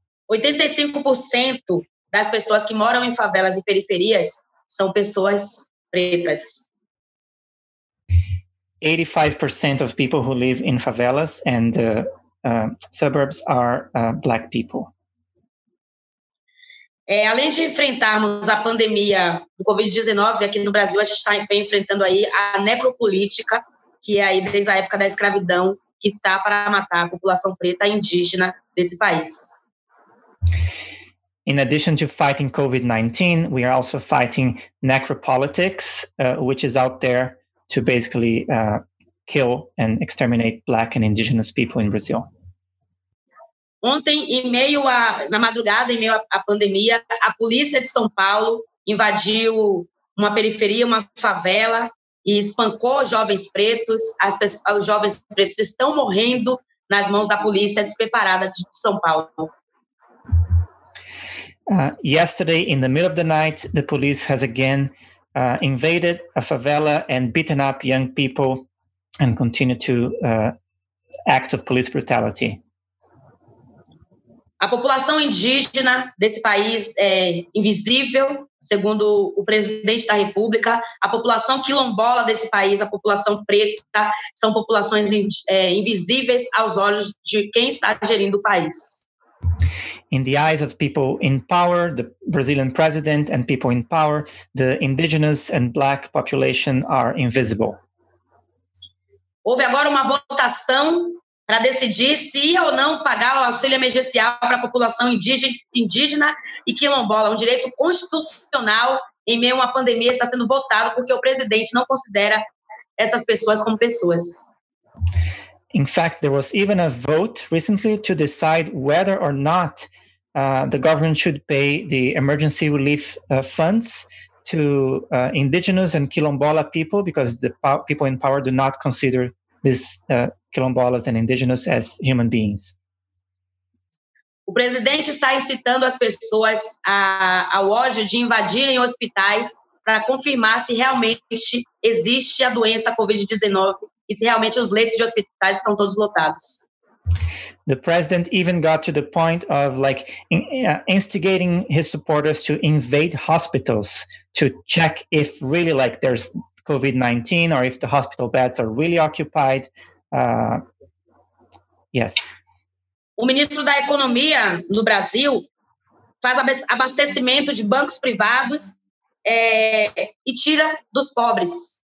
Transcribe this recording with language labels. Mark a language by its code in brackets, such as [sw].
[pt] 85% das pessoas que moram em favelas e periferias são pessoas pretas. [en] 85% of people who live in favelas and suburbs are black people. [pt] É, além de enfrentarmos a pandemia do COVID-19 aqui no Brasil, a gente está enfrentando aí a necropolítica, que é aí desde a época da escravidão, que está para matar a população preta indígena desse país. [en] In addition to fighting COVID-19, we are also fighting necropolitics, which is out there to basically kill and exterminate black and indigenous people in Brazil. [pt] Ontem, em meio a, na madrugada, em meio à pandemia, a polícia de São Paulo invadiu uma periferia, uma favela, e espancou jovens pretos. As pessoas, os jovens pretos estão morrendo nas mãos da polícia despreparada de São Paulo. [en] Yesterday, in the middle of the night, the police has again invaded a favela and beaten up young people and continue to act of police brutality. [pt] A população indígena desse país é invisível, segundo o presidente da República. A população quilombola desse país, a população preta, são populações invisíveis aos olhos de quem está gerindo o país. [en] In the eyes of people in power, the Brazilian president and people in power, the indigenous and black population are invisible. [pt] Houve agora uma votação para decidir se ia ou não pagar o auxílio emergencial para a população indígena e quilombola, um direito constitucional em meio a uma pandemia, está sendo votado porque o presidente não considera essas pessoas como pessoas. [en] In fact, there was even a vote recently to decide whether or not the government should pay the emergency relief funds to indigenous and quilombola people because the people in power do not consider these quilombolas and indigenous as human beings. [pt] O presidente está incitando as pessoas ao ódio de invadirem hospitais para confirmar se realmente existe a doença COVID-19 e se realmente os leitos de hospitais estão todos lotados. [en] The president even got to the point of like instigating his supporters to invade hospitals to check if really like there's COVID-19 or if the hospital beds are really occupied. Yes. [pt] O ministro da Economia no Brasil faz abastecimento de bancos privados e tira dos pobres.